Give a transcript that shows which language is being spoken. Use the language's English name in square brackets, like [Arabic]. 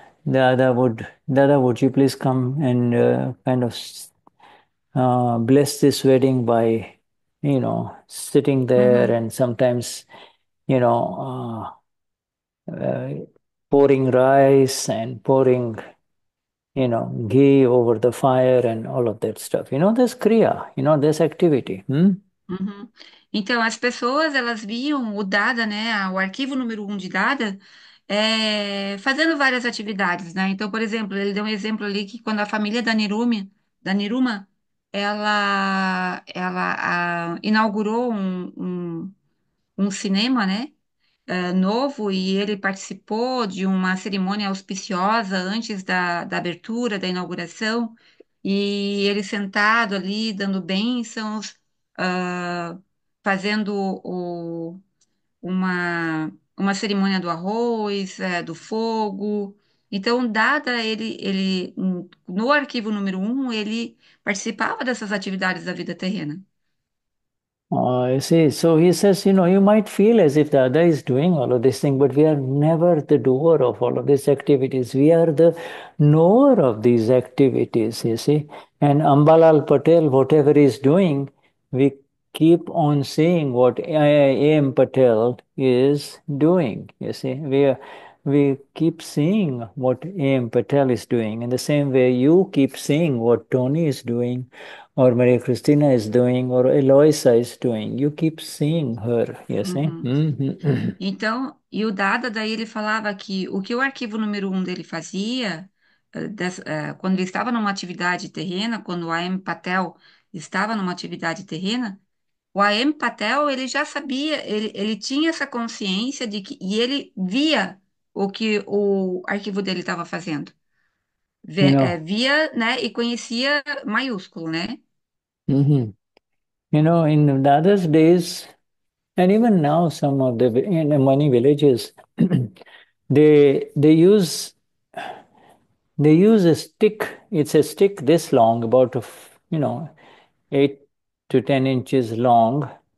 [English] Dada, would you please come and kind of bless this wedding by, sitting there and sometimes, pouring rice and pouring, ghee over the fire and all of that stuff. There's kriya, there's activity. [Portuguese] Então, as pessoas, elas viam o Dada, né, o arquivo número 1 de Dada, fazendo várias atividades, né? Então, por exemplo, ele deu um exemplo ali que quando a família da Niruma, ela inaugurou um cinema, né, novo, e ele participou de uma cerimônia auspiciosa antes da abertura, da inauguração, e ele sentado ali dando bênçãos, fazendo uma cerimônia do arroz, do fogo. Então, Dada, ele no arquivo número 1, ele participava dessas atividades da vida terrena. [English] I see. So he says, you might feel as if the other is doing all of this thing, but we are never the doer of all of these activities. We are the knower of these activities, you see. And Ambalal Patel, whatever he's doing, we keep on seeing what A.M. Patel is doing, you see. We keep seeing what A.M. Patel is doing in the same way you keep seeing what Tony is doing, or Maria Cristina is doing, or Eloisa is doing. You keep seeing her, you see? [Portuguese] Então, e o Dada, daí ele falava que o que o arquivo número 1 dele fazia, quando ele estava numa atividade terrena, quando o A.M. Patel estava numa atividade terrena, o A.M. Patel, ele já sabia, ele tinha essa consciência de que, e ele via o que o arquivo dele estava fazendo. Via, né, e conhecia maiúsculo, né? [English] In the other days, and even now, some of the in the many villages, they use a stick. It's a stick this long, about 8 to 10 inches long.